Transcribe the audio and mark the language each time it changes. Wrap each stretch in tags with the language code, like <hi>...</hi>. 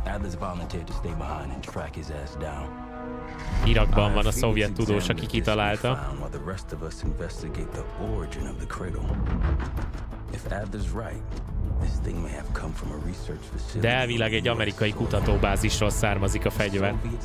<en>Adler's volunteered to stay behind and track his ass down.</en> <hu>Irakban van a szovjet tudós, aki kitalálta.</hu> <en>While the rest of us investigate the origin of the cradle. If Adler's right, this thing may have come from a research facility.</en> <hu>De elvileg egy amerikai kutatóbázisról származik a fegyver.</hu>